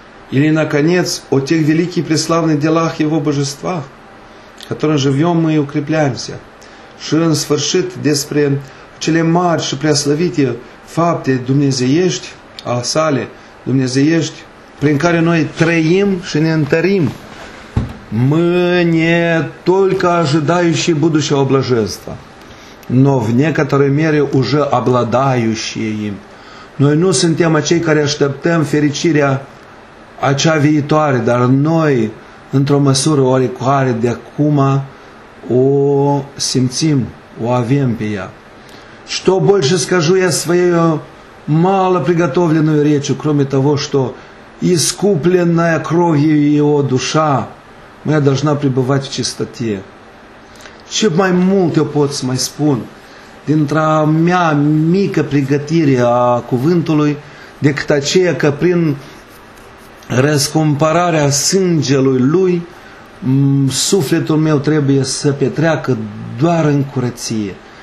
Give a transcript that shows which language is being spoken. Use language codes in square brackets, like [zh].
[ru] Или наконец о тех великих преславных делах Его Божества, которым живем мы и укрепляемся, [ro] и в сфаршит despre cele mari și preaslăvite fapte dumnezeiești a sale, dumnezeiești, prin care noi trăim și ne întărim. [ru] Мы не только ожидающие будущего блаженства, но в некоторой мере уже обладающие им. [ro] Noi nu suntem acei care așteptăm fericirea acea viitoare, dar noi, într-o măsură oricare, de acum o simțim, o avem pe ea. [ru] Что больше скажу я своею мало приготовленную речью, кроме того, что искупленная кровью его душа моя должна пребывать в чистоте. [ro] Ce mai mult eu pot să mai spun dintr-a mea mică pregătire a cuvântului decât aceea că prin răscumpărarea sângelui lui sufletul meu trebuie să petreacă doar în curăție.